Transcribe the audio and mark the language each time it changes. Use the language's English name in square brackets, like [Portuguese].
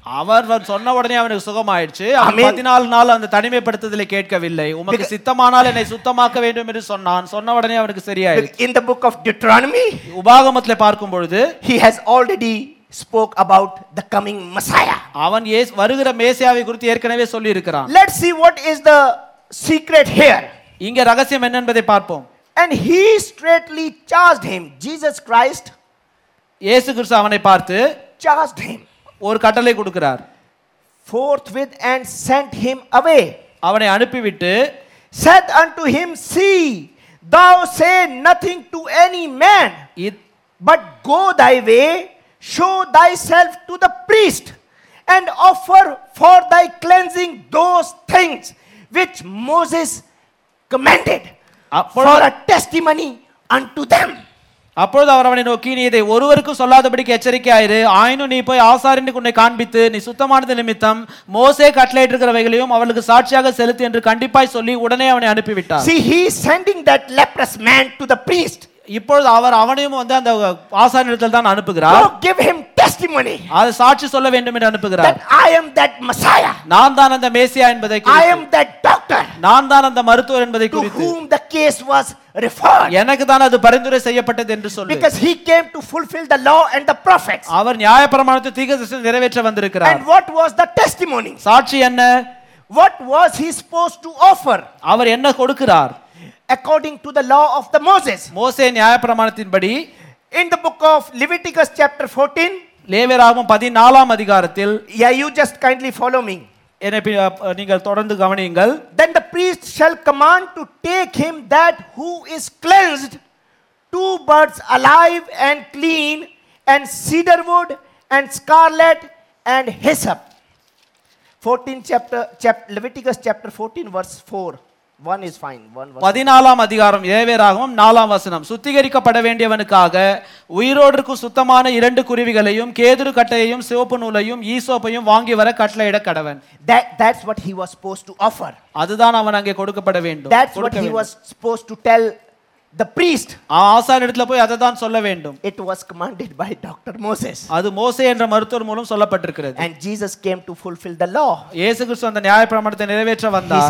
[Tamil] அவர் சொன்ன உடனே அவனுக்கு சுகமாயிடுச்சு. அவன் 14 நாள் அந்த தனிமைப்படுத்துதல கேட்கவில்லை. உமக்கு சித்தமானால் என்னை சுத்தமாக்க வேண்டும் என்று சொன்னான். சொன்ன உடனே அவனுக்கு சரியாயிடுச்சு. [English] In the book of Deuteronomy, [Tamil] உபாகமத்தில் பார்க்கும் பொழுது, [English] he has already spoke about the coming Messiah. [Tamil] அவன் இயேசு வருகிற மேசியாவை குறித்து ஏற்கனவே சொல்லி இருக்கிறான். [English] Let's see what is the secret here. [Tamil] இங்க ரகசியம் என்ன என்பதை பார்ப்போம். [English] And he straightly charged him. Jesus Christ, [Tamil] இயேசு கிறிஸ்து அவனை பார்த்து [English] charged him. [Tamil] ஒரு கட்டளை கொடுக்கிறார். [English] Forthwith and sent him away. [Tamil] அவனை அனுப்பிவிட்டு, [English] said unto him, see, thou say nothing to any man, but go thy way, show thyself to the priest, and offer for thy cleansing those things which Moses commanded for a testimony unto them. [Tamil] அப்பொழுது அவர் அவனை நோக்கி, நீ இதை ஒருவருக்கும் சொல்லாதபடிக்கு எச்சரிக்கையாயிரு, ஆயினும் நீ போய் ஆசாரின்னு உன்னை காண்பித்து நீ சுத்தமானது நிமித்தம் மோசே கட்டளையிட்டிருக்கிறவைகளையும் அவளுக்கு சாட்சியாக செலுத்து என்று கண்டிப்பாய் சொல்லி உடனே அவனை அனுப்பிவிட்டார். [English] See, he is sending that leprous man to the priest. [Tamil] இப்பொழுது அவர் அவனையும் வந்து அந்த ஆசாரியிடத்தில் தான் அனுப்புகிறார். [English] Go give him testimony. [Tamil] அது சாட்சி சொல்ல வேண்டும் என்று அனுப்புகிறார். [English] I am that Messiah. [Tamil] நான் தான் அந்த மேசியா என்பதை குறித்து. [English] I am that doctor. [Tamil] நான் தான் அந்த மருத்துவர் என்பதை குறித்து. [English] To whom the case was referred. [Tamil] எனக்கு தான் அது பரிந்துரை செய்யப்பட்டது என்று சொல்லு. [English] Because he came to fulfill the law and the prophets. [Tamil] அவர் நியாயப்பிரமாணத்தை தீர்க்கதரிசனத்தில் நிறைவேற்ற வந்திருக்கிறார். [English] And what was the testimony? [Tamil] சாட்சி என்ன? [English] What was he supposed to offer? [Tamil] அவர் என்ன கொடுக்கிறார்? [English] According to the law of the Moses. [Tamil] மோசே நியாயப்பிரமாணத்தின் படி. [English] In the book of Leviticus chapter 14. [Tamil] லேவியராகமம் 14 அதிகாரத்தில். [English] Yeah, you just kindly follow me. [Tamil] நீங்கள் தொடர்ந்து கவனியுங்கள். [English] Then the priest shall command to take him that who is cleansed, two birds alive and clean, and cedar wood and scarlet and hyssop. 14 chapter, Leviticus chapter 14 verse 4. One is fine. One verse. [Tamil] 14 அதிகாரம் ஏவேராகமம் 4 வசனம். சுத்திகரிக்கப்பட வேண்டியவனுக்காக உயிரோடு சுத்தமான இரண்டு குருவிகளையும் கேதுரு கட்டையையும் சிவப்பு நூலையும் ஈசோப்பையும் வாங்கி வர கட்டளையிட கடவன். [English] That's what he was supposed to offer. [Tamil] அதுதான் அவன் அங்கே கொடுக்கப்பட வேண்டும். [English] That's what he was supposed to tell the priest. [Tamil] ஆசாரியிடத்துல போய் அததான் சொல்ல வேண்டும். [English] It was commanded by Dr. Moses. [Tamil] அது மோசே என்ற மருத்துவர் மூலம் சொல்லப்பட்டிருக்கிறது. [English] And Jesus came to fulfill the law. [Tamil] இயேசு கிறிஸ்து அந்த நியாய பிரமாணத்தை நிறைவேற்ற வந்தார்.